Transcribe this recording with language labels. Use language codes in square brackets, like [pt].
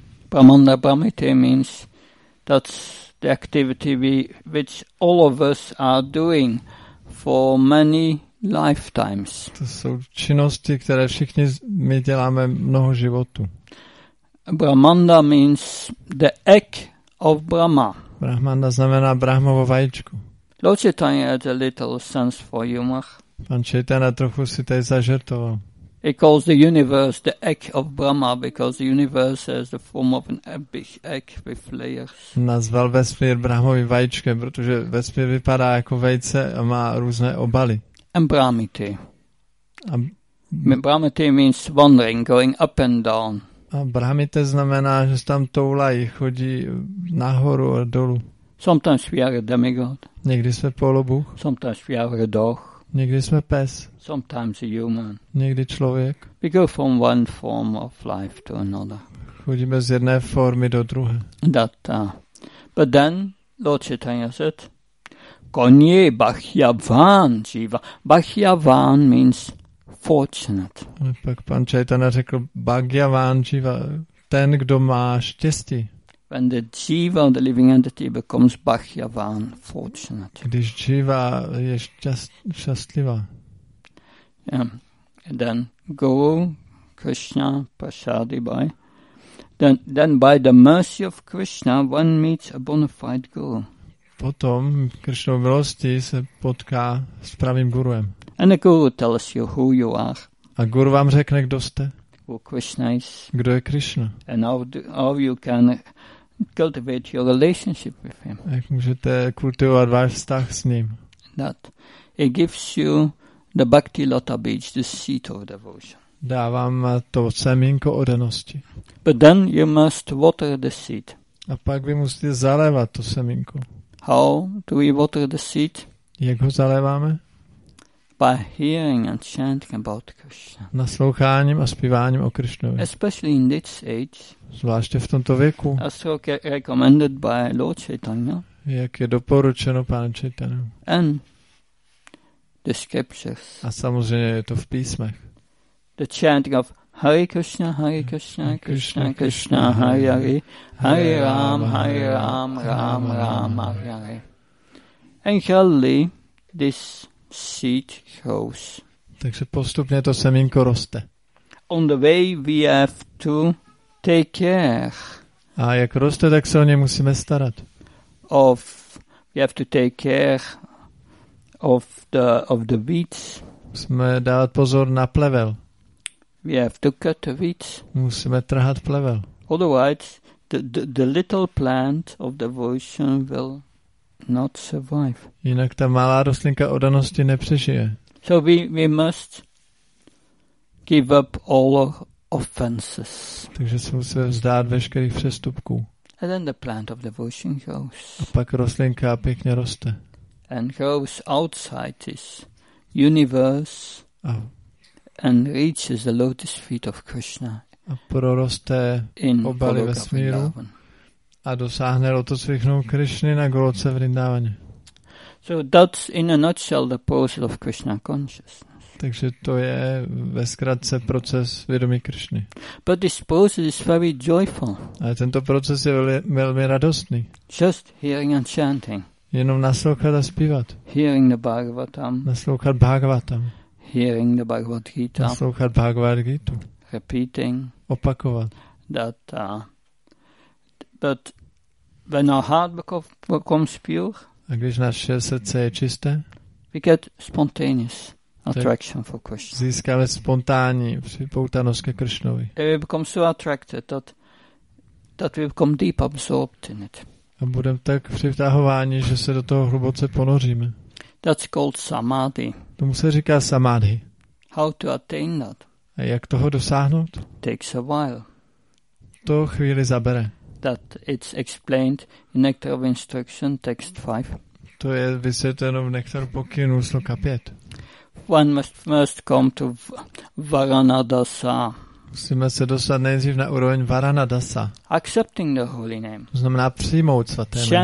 [en] Brahmane Brahmite means that's the activity which all of us are doing for many lifetimes. [cs] To jsou činnosti, které všichni my děláme mnoho životů. [en] Brahmana means the egg of Brahma. [cs] Brahmana znamená Brahmovo vajíčko. [en] Lord Chaitanya had a little sense for humor. [cs] Pan Chaitanya trochu si tady zažertoval. [en] He calls the universe the egg of Brahma because the universe has the form of an big egg with layers. [cs] Nazval vesmír Brahmovým vajíčkem, protože vesmír vypadá jako vejce a má různé obaly. [en] And Brahmite. Brahmite means wandering, going up and down. [cs] A Brahmite znamená, že tam toulají, chodí nahoru a dolů. [en] Sometimes we are a demigod. [cs] Někdy jsme polobůh. [en] Sometimes we are a dog. [cs] Někdy jsme pes. [en] Sometimes a human. [cs] Někdy člověk. [en] We go from one form of life to another. [cs] Chodíme z jedné formy do druhé. [en] That, but then Lord Chaitanya said, [sa] "Konye bhakhyavan jiva." [en] Bhakhyavan means fortunate. [cs] A pak pan Chaitanya řekl, "Bhakhyavan jiva, ten, kdo má štěstí." [en] When the jiva, the living entity, becomes bhakhyavan, fortunate. [cs] Když jiva je šťastlivá. [en] Yeah. And then [sa] Guru Krishna Prasadi Bhai. [en] Then by the mercy of Krishna, one meets a bona fide guru. [cs] Potom Krishnou milostí se potká s pravým guruem. [en] And the guru tells you who you are. [cs] A guru vám řekne, kdo jste. [en] Who Krishna is. [cs] Kdo je Krishna. [en] And how you can cultivate your relationship with him. [cs] Jak můžete kultivovat váš vztah s ním. [en] That he gives you the Bhakti Lata Beach, the seat of devotion. [cs] Dávám to semínko oddanosti. [en] But then you must water the seed. [cs] A pak vy musíte zalévat to semínko. [en] How do we water the seed? [cs] Jak ho zaléváme? [en] By hearing and chanting about Krishna. [cs] Nasloucháním a zpíváním o Krishnovi. [en] Especially in this age. [cs] Zvláště v tomto věku. [en] As recommended by Lord Chaitanya. [cs] Jak je doporučeno pánem Chaitanyem. [en] And the scriptures. [cs] A samozřejmě je to v písmech. [en] The chanting of [sa] Hare Krishna, Krishna, Krishna, Hare Hare, Hare Ram, Hare Ram, Ram, Ram, Hare Hare. [en] And gradually this seed grows. [cs] Takže postupně to semínko roste. [en] On the way we have to take care. [cs] A jak roste, tak se o ně musíme starat. [en] Of, we have to take care of the weeds. [cs] Musíme dát pozor na plevel. [en] We have to cut the weeds. [cs] Musíme trhat plevel. [en] Otherwise, the little plant of devotion will not survive. [cs] Jinak ta malá rostlinka oddanosti nepřežije. [en] So we must give up all our offenses. [cs] Takže se musíme vzdát veškerých přestupků. [en] And then the plant of devotion grows. [cs] A pak rostlinka pěkně roste. [en] And grows outside this universe. And reaches the lotus feet of Krishna. [cs] A proroste obaly vesmíru. A dosáhne lotosových nohou Krishny na Goloce Vrindavaně. [en] So that's in a nutshell the process of Krishna consciousness. [cs] Takže to je ve zkratce proces vědomí Krishny. [en] But this process is very joyful. [cs] Ale tento proces je velmi radostný. [en] Just hearing and chanting. [cs] Jenom naslouchat a zpívat. [en] Hearing the Bhagavatam. [cs] Naslouchat Bhagavatam. [en] Hearing the Bhagavad Gita. [cs] Naslouchat Bhagavad Gitu. [en] Repeating. [cs] Opakovat. [en] That, but when our heart becomes pure, [cs] a když naše srdce je čisté, [en] we get spontaneous attraction for Krishna. [cs] Získáme spontánní připoutanost ke Krishnovi. [en] And we become so attracted that we become deep absorbed in it. [cs] A budeme tak přitahováni, že se do toho hluboce ponoříme. [en] That's called samadhi. [cs] Tomu se říká samadhi. [en] How to attain that? [cs] A jak toho dosáhnout? [en] Takes a while. [cs] To chvíli zabere. [en] That it's explained in Nectar of Instruction, text 5. [cs] To je vysvětleno v Nektar pokynu sloka 5. [en] One must first come to Varanadasa. [cs] Musíme se dostat nejdřív na úroveň Varanadasa. [en] Accepting the holy name. [cs] To znamená přijmout svaté jméno.